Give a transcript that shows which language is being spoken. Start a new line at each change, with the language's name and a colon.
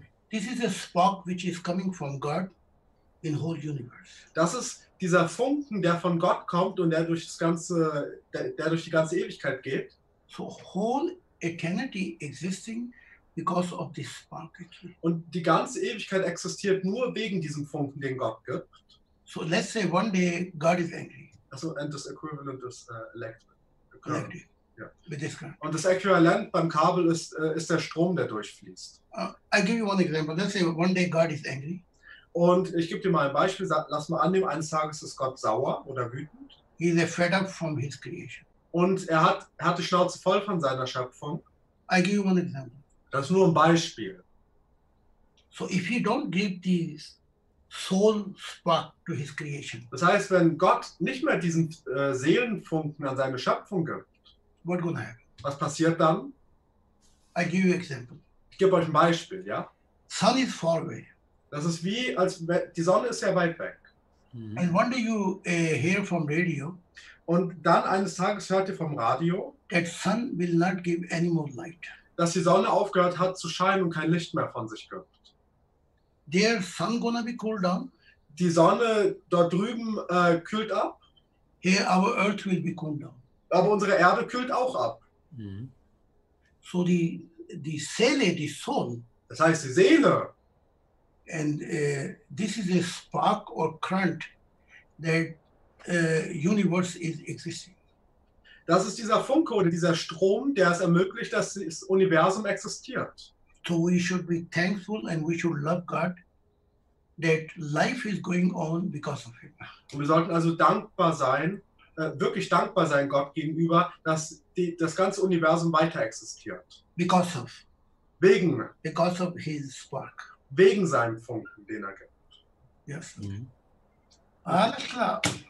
English: This is a spark which is coming from God in whole universe.
German: Das ist dieser Funken, der von Gott kommt und der durch die ganze Ewigkeit geht.
English: So whole eternity existing because of this spark.
German: Und die ganze Ewigkeit existiert nur wegen diesem Funken, den Gott gibt.
English: So let's say one day God is angry. Also and this equivalent is electric. Electric.
German: Und das Äquivalent beim Kabel ist der Strom, der durchfließt.
English: I give you one example. Let's say one day God is angry.
German: Und ich gebe dir mal ein Beispiel. Lass mal annehmen, eines Tages ist Gott sauer oder wütend.
English: He is fed up from his creation.
German: Und er hat die Schnauze voll von seiner Schöpfung.
English: I give you one example.
German: Das ist nur ein Beispiel.
English: So if he don't give this soul spark to his creation.
German: Das heißt, wenn Gott nicht mehr diesen Seelenfunken an seine Schöpfung gibt,
English: what gonna happen?
German: Was passiert dann?
English: I give you example.
German: Ich gebe euch ein Beispiel, ja?
English: Sun is far away.
German: Das ist wie, als die Sonne ist ja weit weg.
English: Mm-hmm. And one day you hear from radio.
German: Und dann eines Tages hört ihr vom Radio,
English: that sun will not give any more light.
German: Dass die Sonne aufgehört hat zu scheinen und kein Licht mehr von sich gibt.
English: Their sun gonna be cooled down.
German: Die Sonne dort drüben kühlt ab.
English: Here our earth will be cooled down.
German: Aber unsere Erde kühlt auch ab. So die Seele, die Soul. Das heißt die Seele.
English: And this is a spark or current that universe is existing.
German: Das ist dieser Funke oder dieser Strom, der es ermöglicht, dass das Universum existiert.
English: So we should be thankful and we should love God that life is going on because of him.
German: Und wir sollten also dankbar sein, wirklich dankbar sein Gott gegenüber, dass das ganze Universum weiter existiert.
English: Because of.
German: Wegen.
English: Because of his spark.
German: Wegen seinem Funken, den er gibt. Yes. Mhm. Alles klar.